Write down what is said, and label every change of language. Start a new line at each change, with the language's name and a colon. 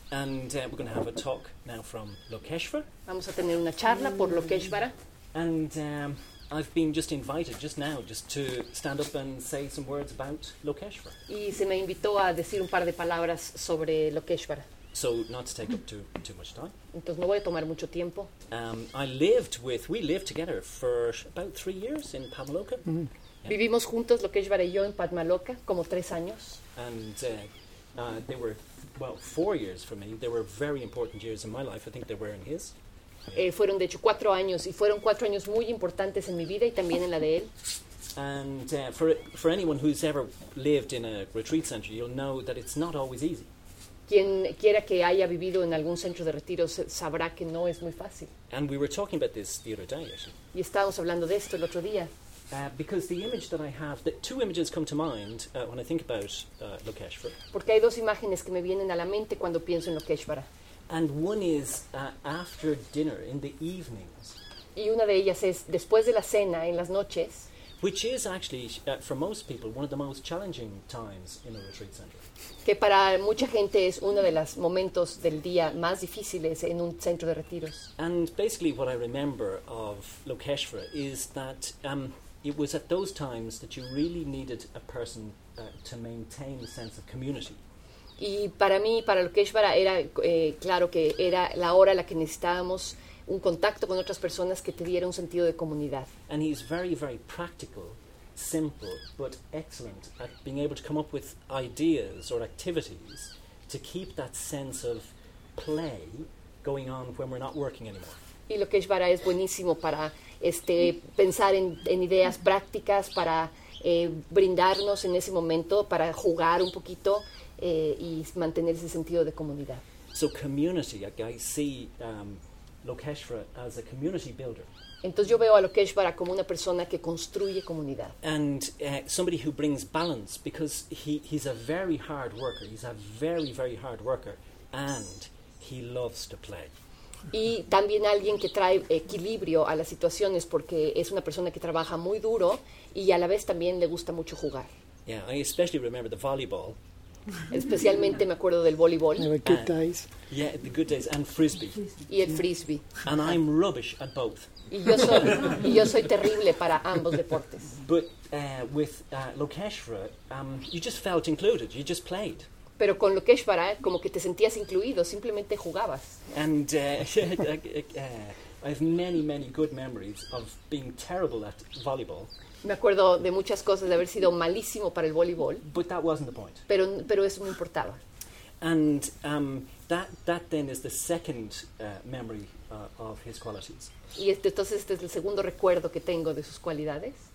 English: And we're going to have a talk now from Lokeshwar.
Spanish: Vamos a tener una charla por Lokeshwara.
English: And I've been just invited just now just to stand up and say some words about Lokeshwar.
Spanish: Y se me invitó a decir un par de palabras sobre Lokeshwar.
English: So not to take up too much time.
Spanish: Entonces no voy a tomar mucho tiempo.
English: We lived together for about 3 years in Padmaloka. Mm-hmm. Yeah.
Spanish: Vivimos juntos Lokeshwar y yo en Padmaloka como 3 años.
English: And they were, well, 4 years for me. They were very important years in my life. I think they were in his.
Spanish: Fueron de hecho 4 años y fueron 4 años muy importantes en mi vida y también en la de él.
English: And for anyone who's ever lived in a retreat center, you'll know that it's not always easy.
Spanish: Quien quiera que haya vivido en algún centro de retiro sabrá que no es muy fácil.
English: And we were talking about this the other day, actually.
Spanish: Y estábamos hablando de esto el otro día.
English: Because the image that I have, the two images come to mind when I think about Lokeshwar.
Spanish: Porque hay dos imágenes que me vienen a la mente cuando pienso en Lokeshwara.
English: And one is after dinner, in the evenings.
Spanish: Y una de ellas es después de la cena, en las noches.
English: Which is actually, for most people, one of the most challenging times in a retreat center.
Spanish: Que para mucha gente es uno de los momentos del día más difíciles en un centro de retiros.
English: And basically what I remember of Lokeshwar is that it was at those times that you really needed a person to maintain a sense of community.
Spanish: Y para mí, para Lokeshwar, era claro que era la hora en la que necesitábamos un contacto con otras personas que te diera un sentido de comunidad.
English: And he's very, very practical, simple, but excellent at being able to come up with ideas or activities to keep that sense of play going on when we're not working anymore.
Spanish: Y Lokeshwar es buenísimo para pensar en ideas prácticas, para brindarnos en ese momento, para jugar un poquito y mantener ese sentido de comunidad.
English: So community, I see Lokeshwar as a community builder.
Spanish: Entonces yo veo a Lokeshwar como una persona que construye comunidad.
English: And somebody who brings balance, because he's a very hard worker. He's a very, very hard worker. And he loves to play.
Spanish: Y también alguien que trae equilibrio a las situaciones porque es una persona que trabaja muy duro y a la vez también le gusta mucho jugar.
English: Yeah, I especially remember the volleyball.
Spanish: Especialmente me acuerdo del voleibol.
English: The good days. Yeah, the good days and frisbee.
Spanish: Y el frisbee.
English: And I'm rubbish at both.
Spanish: Y yo soy terrible para ambos deportes.
English: But with Lokeshwar, you just felt included. You just played.
Spanish: Pero con Lokeshwar, como que te sentías incluido, simplemente jugabas.
English: And I have many, many good memories of being terrible at volleyball.
Spanish: Me acuerdo de muchas cosas, de haber sido malísimo para el voleibol.
English: But that wasn't the point.
Spanish: Pero eso no importaba.
English: And that then is the second memory of his qualities.
Spanish: Y entonces este es el segundo recuerdo que tengo de sus cualidades.